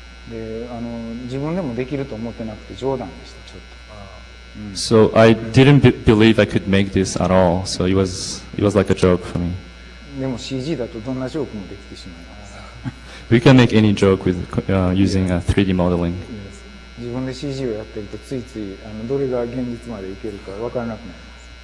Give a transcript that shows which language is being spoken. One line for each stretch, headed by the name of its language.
Japanese: で、あの、自分でもできると思ってなくて冗談でした、ちょっと。
English: So I didn't believe I could make this at all. So it was like a joke for me.
Japanese: でも CG だとどんなジョークもできてしまいます。
English: We can make any joke with using a 3D modeling.
Japanese: 自分で CG をやってるとついついあのどれが現実までいけるかわからなくなります。